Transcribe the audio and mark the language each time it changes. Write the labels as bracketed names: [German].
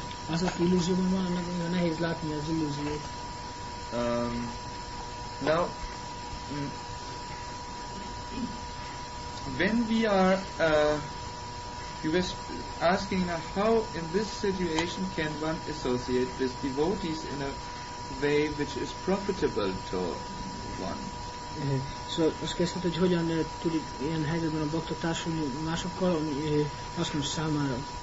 [Hungarian] Az az illúzió van, annak nagyon nehéz látni az illúziót. [English] Now, when we are, you were asking how in this situation can one associate with devotees in a way which is profitable to one? [Hungarian] Szóval azt kezdhet, hogy hogyan tud ilyen helyzetben a bakta társulni másokkal, ami hasznos számára.